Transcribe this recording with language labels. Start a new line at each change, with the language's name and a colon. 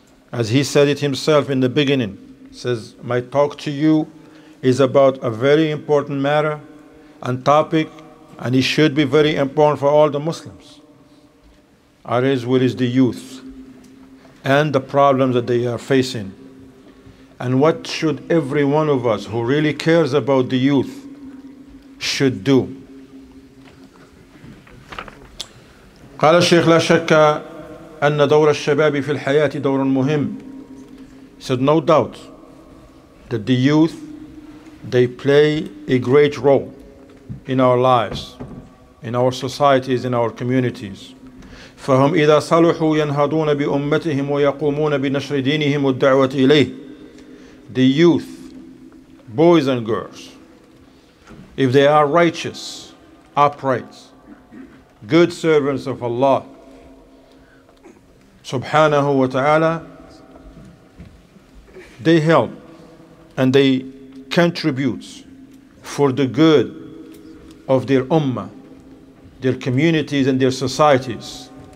English: As he said it himself in the beginning, says, my talk to you is about a very important matter and topic, and it should be very important for all the Muslims. Arise, where is the youth and the problems that they are facing? And what should every one of us who really cares about the youth should do?
Arabic: قال الشيخ لا شك أن دور الشباب في الحياة دور مهم.
English: He said, no doubt that the youth, they play a great role in our lives, in our societies, in our communities.
Arabic: فهم إذا صلحوا ينهضون بأمتهم ويقومون بنشر دينهم والدعوة إليه.
English: The youth, boys and girls, if they are righteous, upright, good servants of Allah subhanahu wa ta'ala, they help and they contribute for the good of their ummah, their communities and their societies.